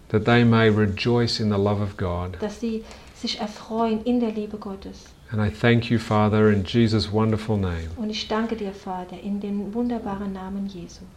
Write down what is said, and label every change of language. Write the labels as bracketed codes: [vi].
[en] That they may rejoice in the love of God. [de] Dass sie sich erfreuen in der Liebe Gottes. [en] And I thank you, Father, in Jesus' wonderful name. [de] Und ich danke dir, Vater, in dem wunderbaren Namen Jesu.